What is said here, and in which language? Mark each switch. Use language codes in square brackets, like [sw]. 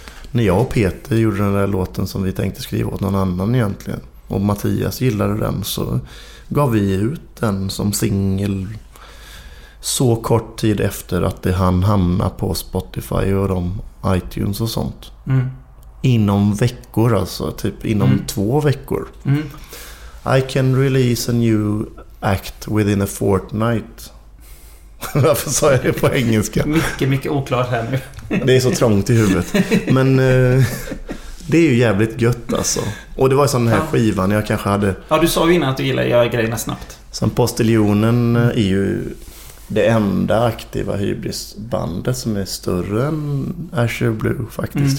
[sv] när jag och Peter gjorde den där låten som vi tänkte skriva åt någon annan egentligen, och Mattias gillade den, så gav vi ut den som singel så kort tid efter att det hann hamna på Spotify och de iTunes och sånt. Inom veckor alltså, typ inom 2 veckor. [en] I can release a new act within a fortnight. [sv] Varför sa jag det på engelska? Mycket, mycket oklart här nu. Det är så trångt i huvudet. Men det är ju jävligt gött alltså. Och det var ju sån här skivan jag kanske hade... Ja, du sa ju innan att du gillar att göra grejerna snabbt. Sen Postiljonen är ju det enda aktiva hybrisbandet som är större än Asher Blue faktiskt.